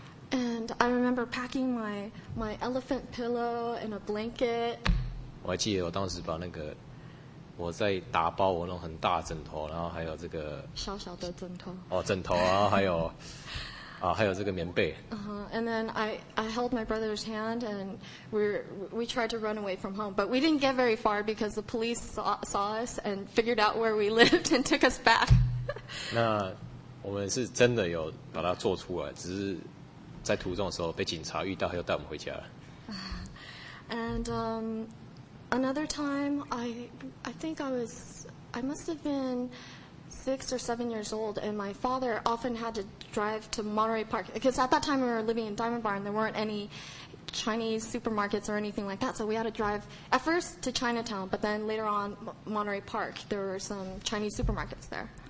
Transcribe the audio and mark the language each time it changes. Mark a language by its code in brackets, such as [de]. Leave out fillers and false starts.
[en] And I remember packing my elephant pillow and a blanket. [zh] 我还记得我当时把那个。我在打包我那种很大的枕头，然后还有这个小小的枕头枕头，然后还有还有这个棉被。 [en] And then I held my brother's hand and we tried to run away from home, but we didn't get very far because the police saw us and figured out where we lived and took us back. [zh] 那我们是真的有把它做出来，只是在途中的时候被警察遇到，又带我们回家了。 [en] And another time, I think I must have been 6 or 7 years old, and my father often had to drive to Monterey Park, because at that time we were living in Diamond Bar, and there weren't any Chinese supermarkets or anything like that, so we had to drive at first to Chinatown, but then later on, Monterey Park, there were some Chinese supermarkets there.